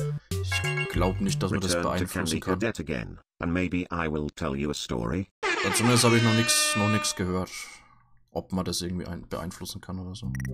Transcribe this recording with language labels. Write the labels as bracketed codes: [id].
[de] Ich glaube nicht, dass man das beeinflussen kann. [en] Return to Candy Cadet again, and maybe I will tell you a story. [de] Und zumindest habe ich noch nichts gehört, ob man das irgendwie beeinflussen kann oder so.